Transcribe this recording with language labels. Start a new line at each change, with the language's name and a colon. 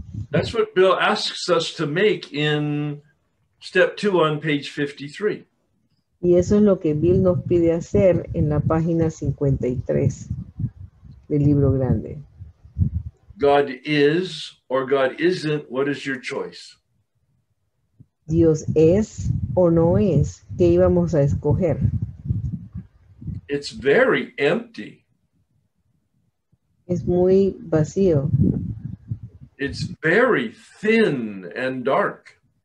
English: That's what Bill asks us to make in step two on page 53.
Spanish: Y eso es lo que Bill nos pide hacer en la página 53 del libro grande.
English: God is or God isn't, what is your choice?
Spanish: Dios es o no es, ¿qué íbamos a escoger?
English: It's very empty.
Spanish: Es muy vacío.
English: It's very thin and dark.